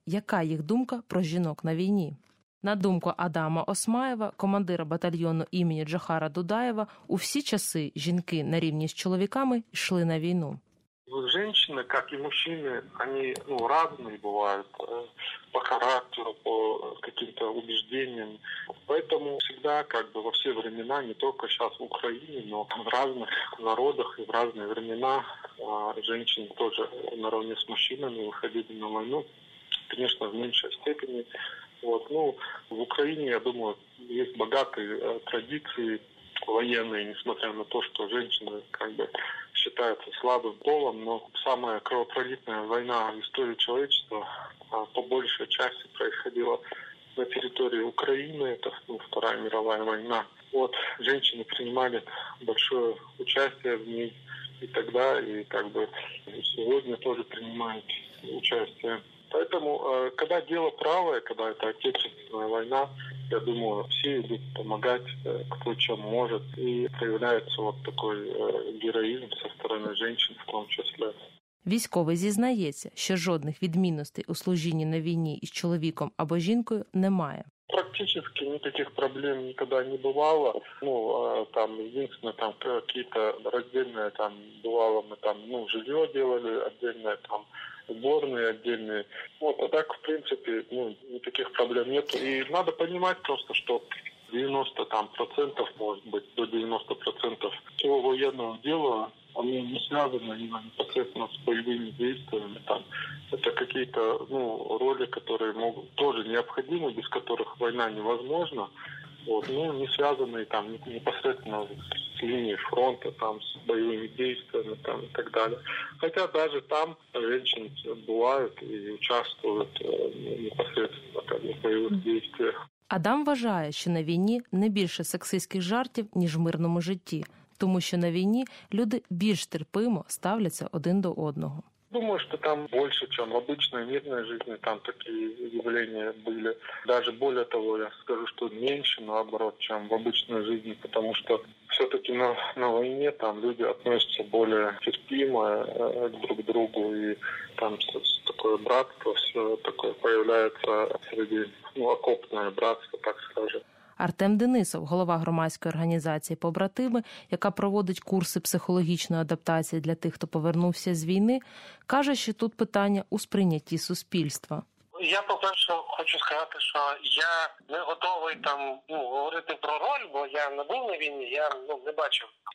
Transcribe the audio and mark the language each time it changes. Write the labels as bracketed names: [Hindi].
[Ukrainian] Яка їх думка про жінок на війні? На думку Адама Осмаєва, командира батальйону імені Джохара Дудаєва, у всі часи жінки на рівні з чоловіками йшли на війну. Жінки, як і мужчини, вони різні бувають по характеру, [Russian] по каким-то убежденням. Поэтому всегда, как бы во все времена, не только сейчас в Украине, но в разных народах и в разные времена женщины тоже наравне с мужчинами выходили на войну. Конечно, в меньшей степени. Вот, ну, в Украине, я думаю, есть богатые традиции военные, несмотря на то, что женщины как бы считаются слабым полом, но самая кровопролитная война в истории человечества по большей части происходила на территории Украины, это Вторая мировая война. Вот женщины принимали большое участие в ней и тогда, и как бы сегодня тоже принимают участие. Поэтому, когда дело правое, когда это отечественная война, я думаю, все идут помогать, кто чем может. И появляется вот такой героизм со стороны женщин в том числе. [Ukrainian] Військовий зізнається, що жодних відмінностей у служінні на війні із чоловіком або жінкою немає. [Russian] Практически никаких проблем никогда не бывало. Ну, там, единственное, там, какие-то раздельные, там, бывало, мы там, ну, жилье делали отдельное, там, сборные отдельные. Вот, а так, в принципе, ну, никаких проблем нет. И надо понимать просто, что 90% может быть, до 90% всего военного дела, оно не связано непосредственно с боевыми действиями, там. Это какие-то роли, которые могут тоже необходимы, без которых война невозможна. Вот, ну, не связанные там непосредственно с линией фронта, там, с боевыми действиями там, и так далее. Хотя даже там женщины бывают и участвуют непосредственно там, в боевых действиях. [Ukrainian] Адам вважає, що на війні не більше сексистських жартів, ніж в мирному житті, тому що на війні люди більш терпимо ставляться один до одного. [Russian] Думаю, что там больше, чем в обычной мирной жизни, там такие явления были. Даже более того, я скажу, что меньше, наоборот, чем в обычной жизни, потому что все-таки на войне там люди относятся более терпимо друг к другу, и там такое братство все такое появляется среди, ну, окопное братство, так скажем. [Ukrainian] Артем Денисов, голова громадської організації «Побратими», яка проводить курси психологічної адаптації для тих, хто повернувся з війни, каже, що тут питання у сприйнятті суспільства. Я, по-перше, хочу сказати, що я не готовий там, ну, говорити про роль, бо я не був на війні, я, ну, не бачив.